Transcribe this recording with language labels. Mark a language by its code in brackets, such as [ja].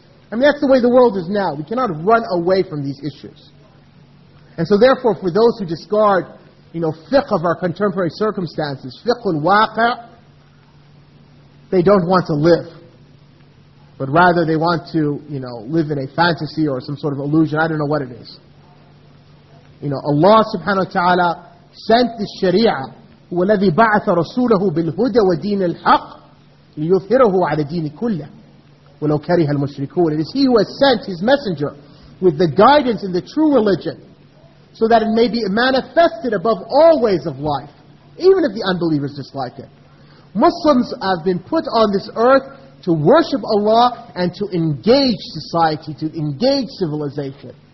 [en] I mean, that's the way the world is now. We cannot run away from these issues. And so therefore, for those who discard, you know, fiqh of our contemporary circumstances, fiqh al-waqa', they don't want to live. But rather they want to, you know, live in a fantasy or some sort of illusion. I don't know what it is. You know, Allah subhanahu wa ta'ala sent the Sharia, [ar] هُوَ الَّذِي بَعَثَ رَسُولَهُ بِالْهُدَى وَدِينِ الْحَقِّ لِيُثْهِرَهُ عَلَى دِينِ كُلَّهِ ولو كره المشركون. [en] It is he who has sent his messenger with the guidance in the true religion so that it may be manifested above all ways of life, even if the unbelievers dislike it. Muslims have been put on this earth to worship Allah and to engage society, to engage civilization.